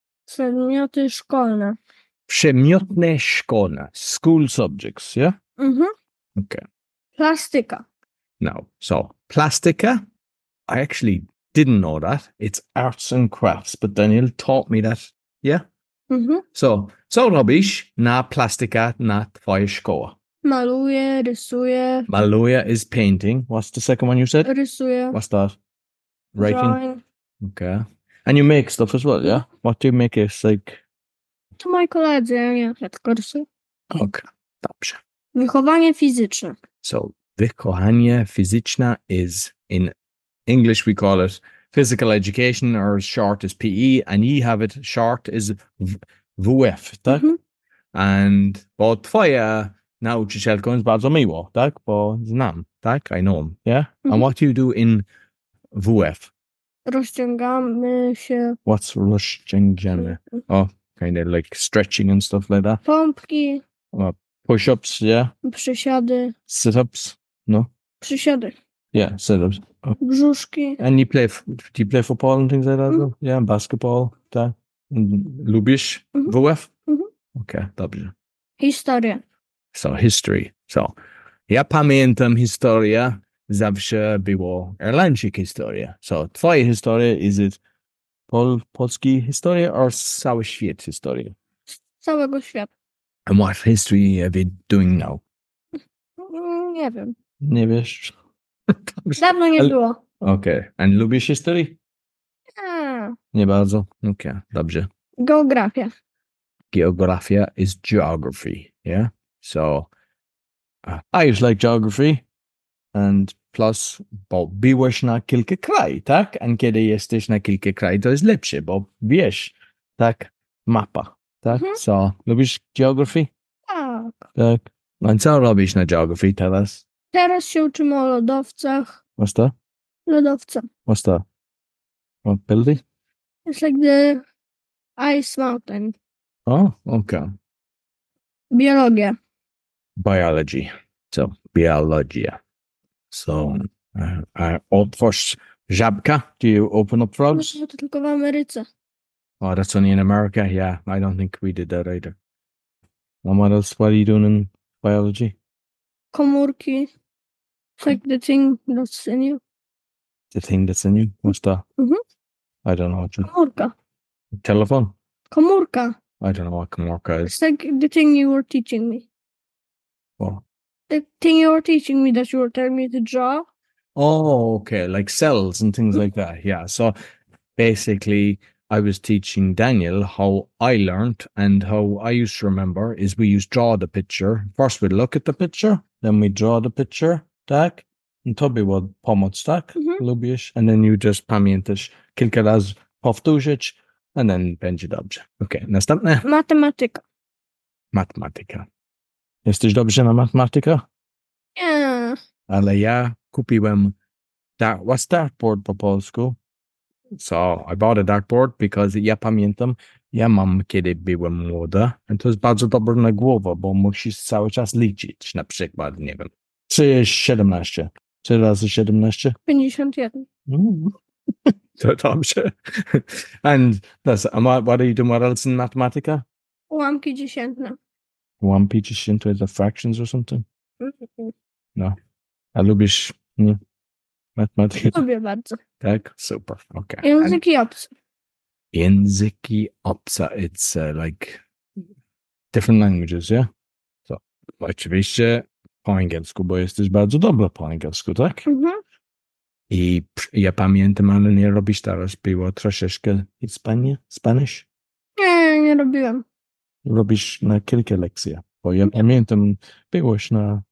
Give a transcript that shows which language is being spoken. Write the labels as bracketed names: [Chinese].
[Polish] Przedmioty szkolne. Przedmiotne szkolne. [English] School subjects, yeah? Mm-hmm. Okay. [Polish] Plastika. No. [English] So, plastika, I actually didn't know that. It's arts and crafts, but Daniel taught me that. Yeah? Mm-hmm. [Polish] So robisz na plastika na twoje szkoła. Maluję, rysuję. [English] Maluję is painting. What's the second one you said? [Polish] Rysuję. [English] What's that? Writing? Drawing. Okay. And you make stuff as well, yeah? What do you make? It's like... [Polish] To moi koledzy, ja nie wiem, tylko rysuję. Okay. Dobrze. Wychowanie fizyczne. [English] So, wychowanie fizyczne is, in English we call it physical education, or short is PE, and ye have it, short is WF, tak? Mm-hmm. [Polish] And, bo twoja nauczycielka jest bardzo miło, tak? Bo znam, tak? [English] I know him, yeah? Mm-hmm. And what do you do in WF? [Polish] Rozciągamy się. [English] What's rozciągamy? Oh, kind of like stretching and stuff like that. [Polish] Pompki. [English] Push-ups, yeah. [Polish] Przysiady. [English] Sit-ups, no. [Polish] Przysiady. [English] Yeah, sit-ups. [Polish] Oh. Brzuszki. [English] And you play, do you play football and things like that? Mm. Yeah, and basketball, [Polish] tak. Lubisz? Mm-hmm. WF? Mm-hmm. Okay, dobrze. Historia. [English] So, history. [Polish] So, ja pamiętam historia, zawsze było irlandzkie historia. So, twoja historia, [English] is it [Polish] polski historia or cały świat historia? Całego świata. [English] And what history are we doing now? [Polish] Nie wiem. Nie wiesz? Dawno nie było. [English] Okay. And [Polish] lubisz [English] history? Yeah. [Polish] Nie bardzo. Okay. Dobrze. Geografia. [English] Geografia is geography. Yeah? So, I just like geography. And plus, [Polish] bo byłeś na kilka kraj, tak? And kiedy jesteś na kilka kraj, to jest lepsze, bo wiesz, tak, mapa. Tak, mm-hmm. So, lubisz geography? Tak. Tak. And co robisz na geography, [English] tell us? [Polish] Teraz się uczymy o lodowcach. [English] What's that? [Polish] Lodowce. [English] What's that? What building? It's like the ice mountain. Oh, okay. [Polish] Biologia. Biology. So, biologia. So, otwórz żabka. [English] Do you open up frogs? [Polish] No, to tylko w Ameryce. [English] Oh, that's only in America. Yeah, I don't think we did that either. And what else? What are you doing in biology? [Polish] Komórki. [English] It's like the thing that's in you. The thing that's in you? What's that? Mm-hmm. I don't know what you... [Polish] Komórka. [English] Telephone? [Polish] Komórka. [English] I don't know what komórka is. It's like the thing you were teaching me. What? The thing you were teaching me that you were telling me to draw. Oh, okay. Like cells and things like that. Yeah, so basically... I was teaching Daniel how I learned, and how I used to remember is we used to draw the picture. First we'd look at the picture, then we'd draw the picture, tak? And Toby would [Polish] pomóc, tak? Mm-hmm. Lubisz? [English] And then you just [Polish] pamiętasz kilka razy powtórzyć, [English] and then [Polish] będzie dobrze. Okay, następne. Matematyka. Matematyka. Jesteś dobrze na matematyka? [English] Yeah. [Polish] Ale ja kupiłem [English] what's that board [Polish] po polsku? [English] So, I bought a dartboard because [Polish] ja pamiętam, ja mam kiedy byłem młoda, and to jest bardzo dobre na głowę, bo musisz cały czas liczyć, na przykład, nie wiem. [English] 3 × 17. 3 × 17? 51. [Polish] To dobrze. [English] And what are you doing? What else in matematyka? [Polish] Ułamki dziesiętne. Ułamki dziesiętne, [English] the fractions or something? Mm-hmm. [Polish] No. A lubisz, nie? Matematyka. Lubię bardzo. Tak? Super. Okay. Języki obce. Języki obce. [English] It's like different languages, yeah? [Polish] So, oczywiście po angielsku, bo jesteś bardzo dobra po angielsku, tak? Mm-hmm. I ja pamiętam, ale nie robisz teraz. Było troszeczkę Hispania, [English] Spanish? [Polish] Nie robiłem. Robisz na kilka lekcji, bo ja pamiętam, byłeś na...